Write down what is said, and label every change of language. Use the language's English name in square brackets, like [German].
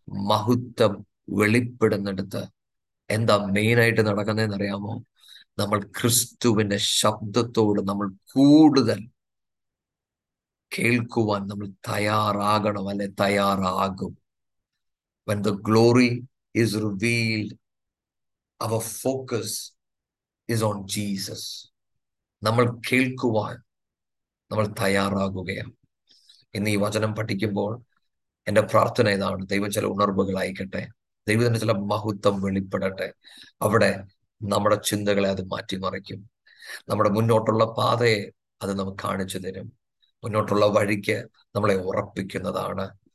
[Malayalam] മഹത്വം വെളിപ്പെടുന്നിടത്ത് എന്താ മെയിനായിട്ട് നടക്കുന്നതെന്ന് അറിയാമോ, നമ്മൾ ക്രിസ്തുവിന്റെ ശബ്ദത്തോട് നമ്മൾ കൂടുതൽ കേൾക്കുവാൻ നമ്മൾ തയ്യാറാകണം, അല്ലെ തയ്യാറാകും. [English] When the glory is revealed, our focus is on Jesus. [Malayalam] നമ്മൾ കേൾക്കുവാൻ നമ്മൾ തയ്യാറാകുകയാണ്. ഇന്ന് ഈ വചനം പഠിക്കുമ്പോൾ എൻ്റെ പ്രാർത്ഥന ഇതാണ്, ദൈവം ചില ഉണർവുകളായിക്കട്ടെ, ദൈവത്തിന്റെ ചില മഹത്വം വെളിപ്പെടട്ടെ. അവിടെ നമ്മുടെ ചിന്തകളെ അത് മാറ്റിമറിക്കും, നമ്മുടെ മുന്നോട്ടുള്ള പാതയെ അത് നമുക്ക് കാണിച്ചു തരും, മുന്നോട്ടുള്ള വഴിക്ക് നമ്മളെ ഉറപ്പിക്കുന്നതാണ്.